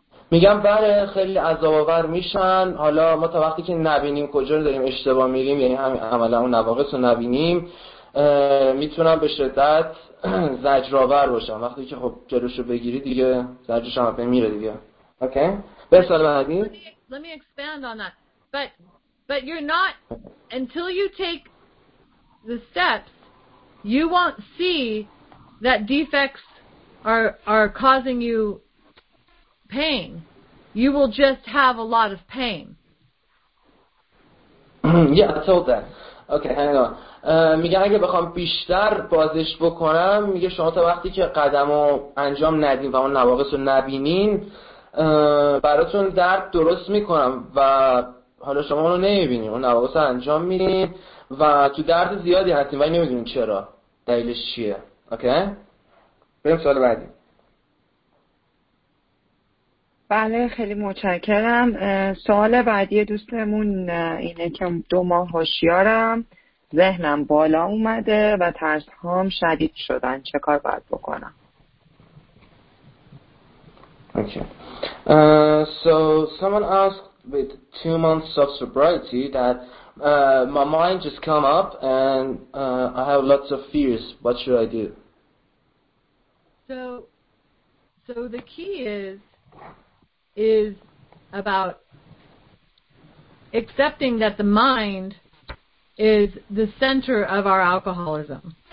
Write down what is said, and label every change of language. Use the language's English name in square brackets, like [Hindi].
[Persian] میگم بله، خیلی عذاب‌آور میشن. حالا ما تا وقتی که نبینیم کجا رو داریم اشتباه میریم، یعنی همین عملا اون نواقص رو نبینیم، میتونم به شدت زجرآور باشم. وقتی که خب جلوش رو بگیری دیگه زجرش هم میره دیگه. Okay. بس سال بعدی. [English] Let me expand on that. But you're not, until you take the steps, you won't see that defects are causing you pain. You will just have a lot of pain. Yeah, I told that. Okay, hang on. [Persian] میگه اگه بخوام بیشتر بازش بکنم، میگه شما تا وقتی که قدمو انجام ندین و اون نواقص رو نبینین، براتون درد درست میکنم و حالا شما اونو نمیبینین، اون نواقص رو انجام میدین و تو درد زیادی هستین و نمیدونین چرا، دلیلش چیه. اوکی؟ بریم سوال بعدی. بله، خیلی متشکرم. سوال بعدی دوستمون اینه که 2 ماه هوشیارم، ذهنم بالا اومده و ترس هام شدید شدن، چه کار باید بکنم؟ [English] So someone asked with 2 months of sobriety that my mind just come up and I have lots of fears. What should I do? So the key is about accepting that the mind is the center of our alcoholism.